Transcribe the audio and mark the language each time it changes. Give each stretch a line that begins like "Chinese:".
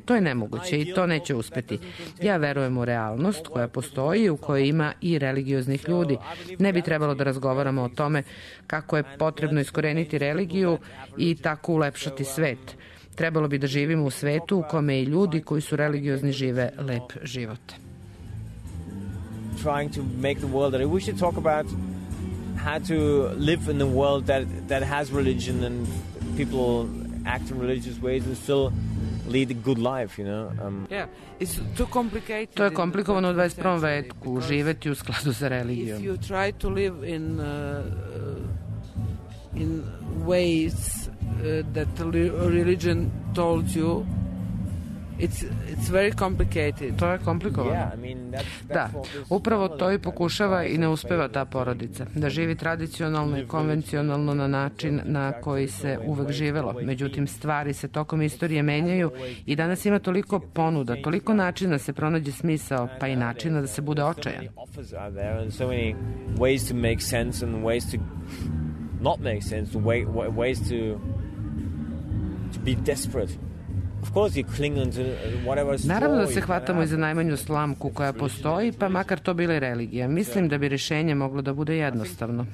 Serbian: To je nemoguće i to neće uspeti. Ja verujem u realnost koja postoji u kojoj ima i religioznih ljudi. Ne bi trebalo da razgovaramo o tome kako je potrebno iskoreniti religiju i tako ulepšati svet. Trebalo bi da živimo u svetu u kome i ljudi koji su religiozni žive lep život.
English: Trying to make the world that we should talk about how to live in a world that has religion and people act in religious ways and still lead a good life, you know. It's too complicated.
Serbian: To je komplikovano u 21. veku živeti u skladu sa religijom.
English: If you try to live in ways that religion told you, it's very complicated.
Serbian: To je komplikovano. Da, upravo to i pokušava i ne uspeva ta porodica. Da živi tradicionalno i konvencionalno na način na koji se uvek živelo. Međutim, stvari se tokom istorije menjaju i danas ima toliko ponuda, toliko načina da se pronađe smisao, pa i načina da se bude očajan.
English: So many ways to make sense and ways to not make sense, ways to be desperate. Of course you cling onto whatever story.
Serbian: Naravno da se hvatamo i za najmanju slamku koja postoji, pa makar to bila religija. Mislim da bi rešenje moglo da bude jednostavno.